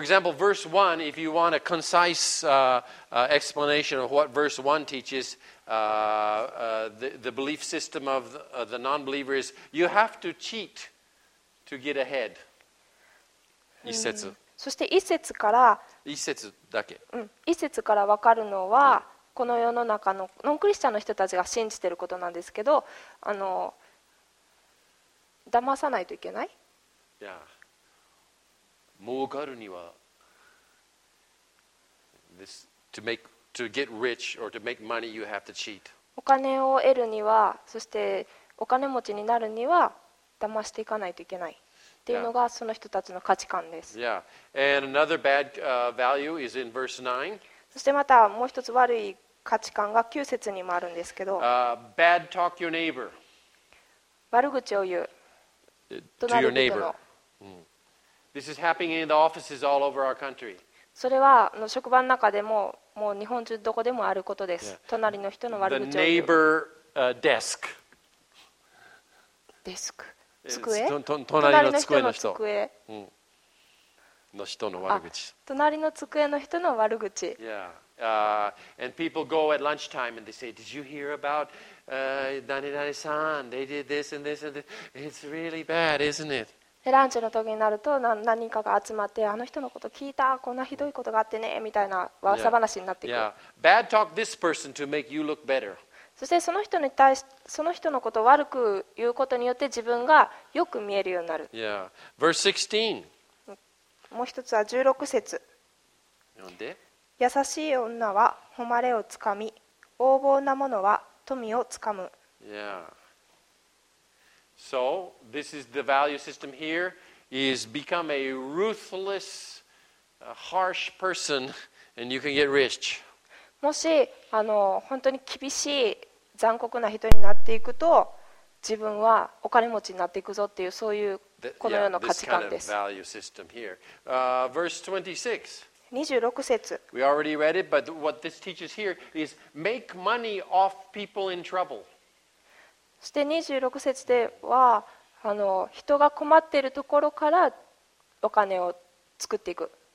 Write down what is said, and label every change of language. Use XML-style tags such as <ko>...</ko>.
<en>For example, verse 1, if you want a concise explanation of what verse 1 teaches, the belief system of the non-believer is, you have to cheat to get ahead.</en> <ja>一節。そして一節から、一節だけ。一節から分かるのは、この世の中のノンクリスチャンの人たちが信じていることなんですけど、騙さないといけない。いや、儲かるには、</ja> <en>this to make to get rich or to make money you have to cheat。</en> <ja>お金を得るには、そしてお金持ちになるには、騙していかないといけない。っていうのがその人たちの価値観です。い</ja> <en>や、and another bad value is in verse 9。</en> <ja>そしてまたもう一つ悪い価値観が9節にもあるんですけど、</ja> <en>bad talk your neighbor.</en> <ja>悪口を言う。</ja> <en>To your neighbor. This is happening in the offices all over our country.</en> <ja>それは職場の中でも、もう日本中どこでもあることです。</ja> <en>Yeah.</en> <ja>隣の人の悪口を言う。</ja> <en>The neighbor, desk.</en> <ja>デスク。机？隣の机の人。うん。の人の悪口。あ、隣の机の人の悪口。</ja> <en>Yeah. And people go at lunchtime and they say, "Did you hear about Dani-san? They did this and this and this. It's really bad, isn't it?"</en> <ja>でランチの時になると何人かが集まって、あの人のこと聞いた、こんなひどいことがあってねみたいな噂話になっていく。</ja> <en>Yeah. Yeah. Bad talk this person to make you look better.</en> <ja>そしてその人に対し、その人のことを悪く言うことによって自分がよく見えるようになる。</ja> <en>Yeah. Verse 16.</en> <ja>もう一つは16節。読んで。優しい女は誉れをつかみ、横暴な者は富をつかむ。</ja> <en>So, this is the value system here, is become a ruthless, harsh person, and you can get rich.</en> <ja>もし、本当に厳しい、残酷な人になっていくと、自分はお金持ちになっていくぞっていう、そういうこのような価値観です。</ja> <en>Yeah, kind of verse 26</en> <ja>節。</ja> <en>We already read it, but what this teaches here is make money off people in trouble.</en> <ja>そして26節では、人が困っているところからお金を作っていく。</ja>